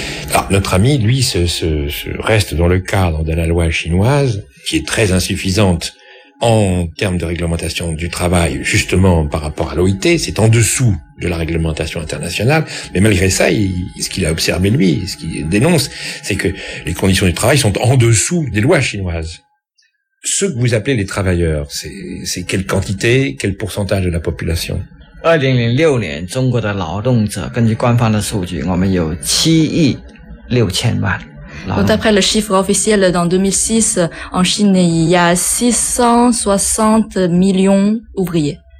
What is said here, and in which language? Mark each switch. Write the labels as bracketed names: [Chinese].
[French] Alors, notre ami, lui, se reste dans le cadre de la loi chinoise, qui est très insuffisante en termes de réglementation du travail, justement par rapport à l'OIT, c'est en dessous de la réglementation internationale, mais malgré ça, ce qu'il a observé, lui, ce qu'il dénonce, c'est que les conditions du travail sont en dessous des lois chinoises. Ceux que vous appelez les travailleurs, c'est quelle quantité, quel pourcentage de la population? [Chinese] 2006年, 中国的劳动者, 根据官方的数据, 我们有 7亿6千万。 [French] Donc, d'après le chiffre officiel dans 2006, en Chine, il y a 660 millions ouvriers.